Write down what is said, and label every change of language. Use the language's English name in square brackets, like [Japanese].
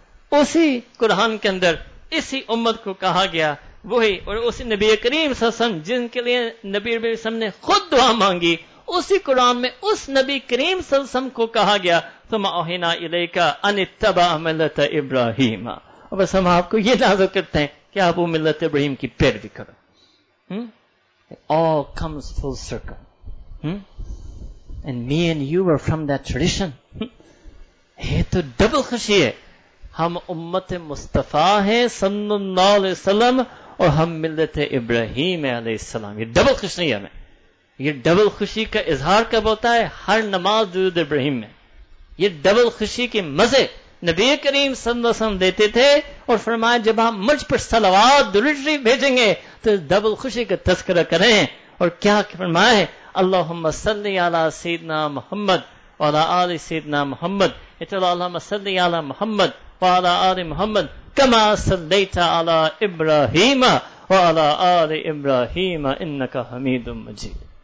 [Urdu] اسی قرآن کے اندر اسی امت کو کہا گیا وہی, اور اسی نبی کریم صلی اللہ علیہ وسلم جن کے لیے نبی علیہ السلام نے خود دعا مانگی, اسی قرآن میں اس نبی کریم صلی اللہ علیہ وسلم کو کہا گیا [Arabic] ثم اوحینا الیک ان اتبع ملت ابراہیم, [Urdu] اور بس ہم آپ کو یہ نازل کرتے ہیں کہ آپ وہ ملت ابراہیم کی پیروی کرو. [English] All comes full circle. And me and you were from that tradition. [Urdu] یہ تو ڈبل خوشی ہے, ہم امت مصطفیٰ ہیں صلی اللہ علیہ وسلم اور ہم ملت ابراہیم علیہ السلام, یہ ڈبل خوشی ہے ہمیں. یہ ڈبل خوشی کا اظہار کب ہوتا ہے؟ ہر نماز درود ابراہیم میں. یہ ڈبل خوشی کے مزے نبی کریم صلی اللہ علیہ وسلم دیتے تھے اور فرمایا جب آپ مجھ پر صلوات درود شریف بھیجیں گے تو ڈبل خوشی کا تذکرہ کریں, اور کیا فرمایا ہے, [Arabic] اللہم صلی علی سیدنا محمد وعلی آل سیدنا محمد, اللہم صلی علی محمد وعلی آل محمد کما صلیت علی ابراہیم وعلی آل ابراہیم انک حمید مجید.